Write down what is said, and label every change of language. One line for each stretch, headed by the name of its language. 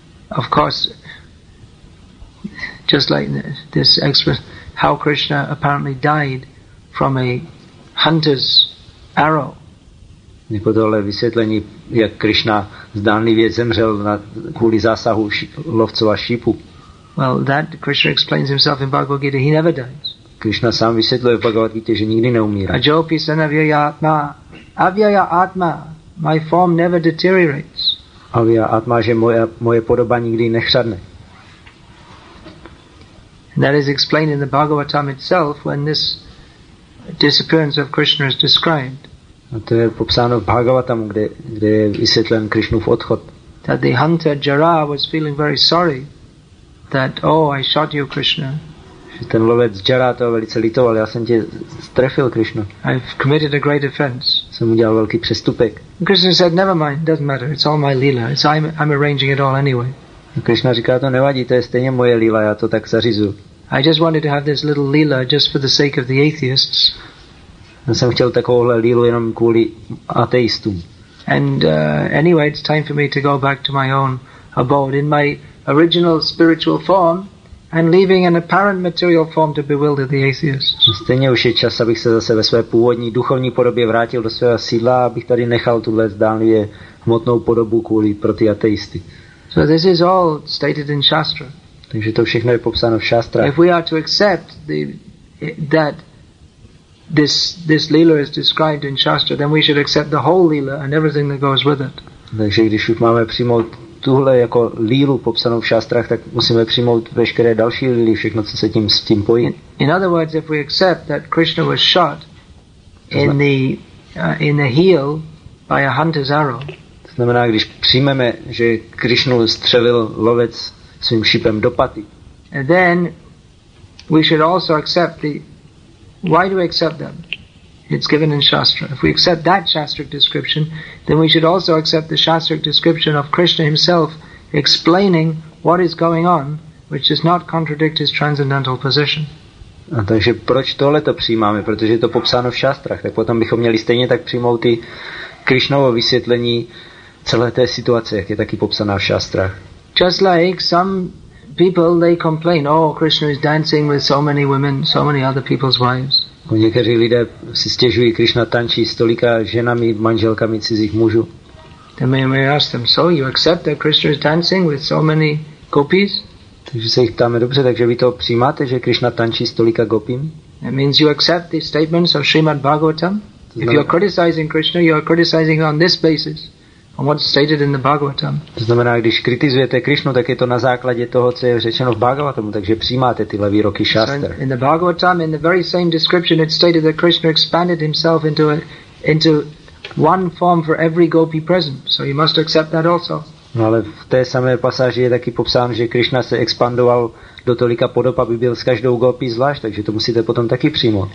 English: Of course, just like this expression, how Krishna apparently died from a hunter's arrow.
Czech: Jako tohle vysvětlení, jak Krishna zdánlivě zemřel kvůli zásahu lovcova šípu.
English: Well, that Krishna explains himself in Bhagavad Gita, he never dies.
Czech: Krishna sám vysvětluje v Bhagavad Gita, že nikdy neumírá.
Sanskrit: Ajopi sanavyaya atma. Avyaya atma.
English: My form never deteriorates.
Sanskrit: Avyaya atma,
Czech: že moje podoba nikdy nechřadne.
English: And that is explained in the Bhagavatam itself when this disappearance of Krishna is described.
Czech: A to je popsáno v Bhagavatam, kde je vysvětlen Krishnův odchod.
English: That the hunter Jara was feeling very sorry that, oh, I shot you, Krishna.
Czech: Ten lovec Jara to velice litoval, já jsem tě strefil, Krishna.
English: I've committed a great offense.
Czech: Jsem udělal velký přestupek.
English: Krishna said, never mind, doesn't matter, it's all my lila. It's I'm arranging it all anyway.
Czech: Krishna říká, to nevadí, to je stejně moje lila, já to tak zařizu.
English: I just wanted to have this little lila just for the sake of the atheists.
Czech: Já jsem chtěl takovouhle lílu jenom kvůli ateistům.
English: And anyway, it's time for me to go back to my own abode in my original spiritual form and leaving an apparent material form to bewilder the atheists.
Czech: Stejně už je čas, abych se zase ve své původní duchovní podobě vrátil do svého sídla, abych tady nechal tuhle zdánlivě hmotnou podobu kvůli pro ty ateisty.
English: So this is all stated in Shastra.
Czech: Takže to všechno je popsáno v Shastrách.
English: If we are to accept that this lila is described in Shastra, then we should accept the whole lila and everything that goes with it.
Czech: Takže když už máme přijmout tuhle jako lílu popsanou v Shastrách, tak musíme přijmout veškeré další líly, všechno, co se s tím pojí.
English: In other words, if we accept that Krishna was shot in the heel by a hunter's arrow.
Czech: To znamená, když přijmeme, že Krishnu střelil lovec svým šipem do paty.
English: And then we should also accept the why do we accept them? It's given in Shastra. If we accept that Shastric description, then we should also accept the Shastric description of Krishna himself explaining what is going on, which does not contradict his transcendental position.
Czech: A takže proč tohle to přijímáme? Protože je to popsáno v Shastrách. Tak potom bychom měli stejně tak přijmout i Krishnovo vysvětlení celé té situace, jak je taky popsaná v Shastrách.
English: Just like some people, they complain, oh, Krishna is dancing with so many women, so many other people's wives.
Czech: Někteří lidé si stěžují, Krishna tančí s tolika ženami, manželkami cizích mužů.
English: Then we ask them, so you accept that Krishna is dancing with so many gopis?
Czech: Takže se jich ptáme, dobře, takže vy to přijímáte, že Krishna tančí s tolika gopím?
English: That means you accept the statements of Srimad Bhagavatam. If you are criticizing Krishna, you are criticizing on this basis, on what's stated in the Bhagavatam.
Czech: To znamená, když kritizujete Krishnu, tak je to na základě toho, co je řečeno v Bhagavatamu, takže přijímáte tyhle výroky šastr.
English: In the Bhagavatam, in the very same description, it's stated that Krishna expanded himself into one form for every gopi present. So you must accept that also.
Czech: No ale v té samé pasáži je taky popsán, že Krishna se expandoval do tolika podob, aby byl s každou gopi zvlášť, takže to musíte potom taky přijmout.